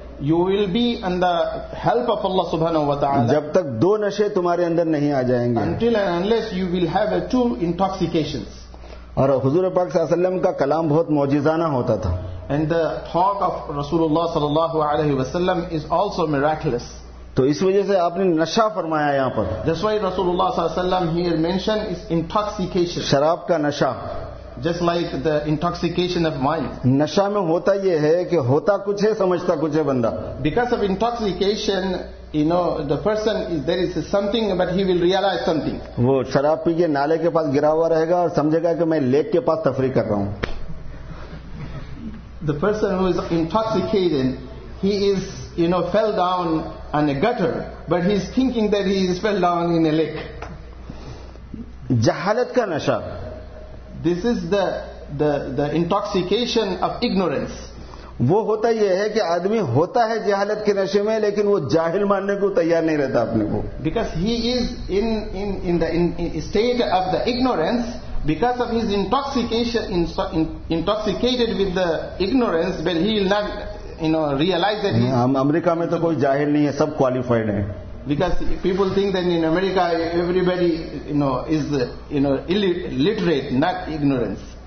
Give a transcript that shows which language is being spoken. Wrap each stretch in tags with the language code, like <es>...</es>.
<en>You will be in the help of Allah سبحانہ و تعالی.</en> <ur>جب تک دو نشے تمہارے اندر نہیں آ جائیں گے.</ur> <en>Until and unless you will have to intoxications.</en> <ur>اور حضور پاک صلی اللہ علیہ وسلم کا کلام بہت معجزانہ ہوتا تھا.</ur> <en>And the talk of Rasulullah sallallahu alaihi wasallam is also miraculous.</en> <ur>تو اس وجہ سے آپ نے نشہ فرمایا یہاں پر.</ur> <en>That's why Rasulullah sallallahu alaihi wasallam here mentioned is intoxication.</en> <ur>شراب کا نشہ.</ur> <en>Just like the intoxication of wine.</en> <ur>نشہ میں ہوتا یہ ہے کہ ہوتا کچھ ہے سمجھتا کچھ ہے بندہ.</ur> <en>Because of intoxication, you know, the person is, there is something, but he will realize something.</en> <ur>وہ شراب پی کے نالے کے پاس گرا ہوا رہے گا اور سمجھے گا کہ میں لیک کے پاس تفریح کر رہا ہوں.</ur> <en>The person who is intoxicated, he is, you know, fell down on a gutter, but he is thinking that he is fell down in a lake.</en> <ur>جہالت کا نشہ.</ur> <en>This is the intoxication of ignorance.</en> <ur>وہ ہوتا یہ ہے کہ آدمی ہوتا ہے جہالت کے نشے میں لیکن وہ جاہل ماننے کو تیار نہیں رہتا اپنے کو.</ur> <en>Because he is in the state of the ignorance. Because of his intoxication, intoxicated with the ignorance, but he will not, you know, realize that. In America, there is no jahil. Everyone is qualified. Because people think that in America, everybody, you know, is, you know, illiterate, not ignorance.</en>